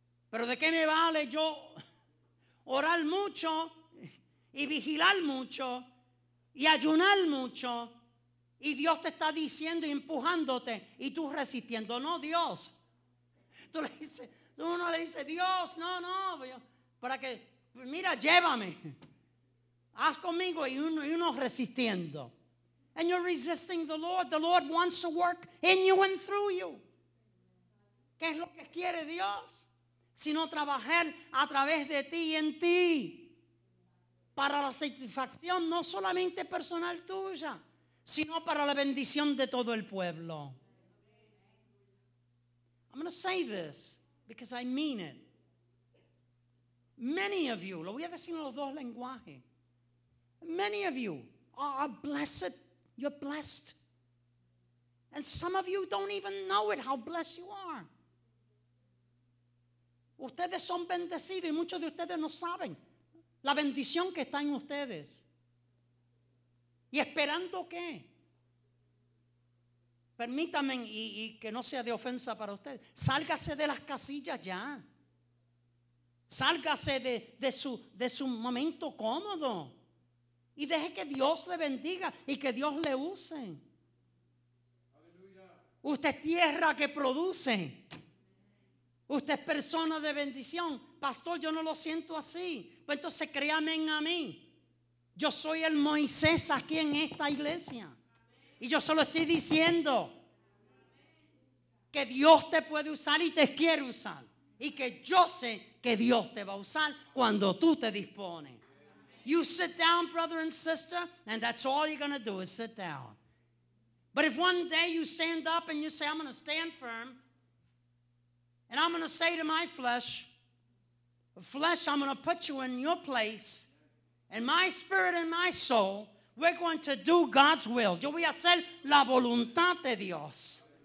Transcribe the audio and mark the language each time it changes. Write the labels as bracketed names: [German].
[Spanish] Pero ¿de qué me vale yo orar mucho y vigilar mucho y ayunar mucho, y Dios te está diciendo y empujándote y tú resistiendo? No, Dios. Tú le dices, uno le dice, Dios, no, para que, mira, llévame. Haz conmigo, y uno resistiendo. [English] And you're resisting the Lord. The Lord wants to work in you and through you. [Spanish] ¿Qué es lo que quiere Dios? Sino trabajar a través de ti y en ti para la satisfacción no solamente personal tuya, sino para la bendición de todo el pueblo. [English] I'm going to say this because I mean it. Many of you, [Spanish] lo voy a decir en los dos lenguajes, [English] many of you are blessed. You're blessed. And some of you don't even know it, how blessed you are. [Spanish] Ustedes son bendecidos y muchos de ustedes no saben la bendición que está en ustedes. ¿Y esperando qué? Permítanme, y que no sea de ofensa para ustedes, sálgase de las casillas ya. Sálgase de su momento cómodo y deje que Dios le bendiga y que Dios le use. Aleluya. Usted es tierra que produce. Usted es persona de bendición. Pastor, yo no lo siento así. Pues entonces créame en a mí. Yo soy el Moisés aquí en esta iglesia. Y yo solo estoy diciendo que Dios te puede usar y te quiere usar. Y que yo sé que Dios te va a usar cuando tú te dispones. [English] You sit down, brother and sister, and that's all you're going to do is sit down. But if one day you stand up and you say, I'm going to stand firm, and I'm going to say to my flesh, flesh, I'm going to put you in your place, and my spirit and my soul, we're going to do God's will. [Spanish] Yo voy a hacer la voluntad de Dios.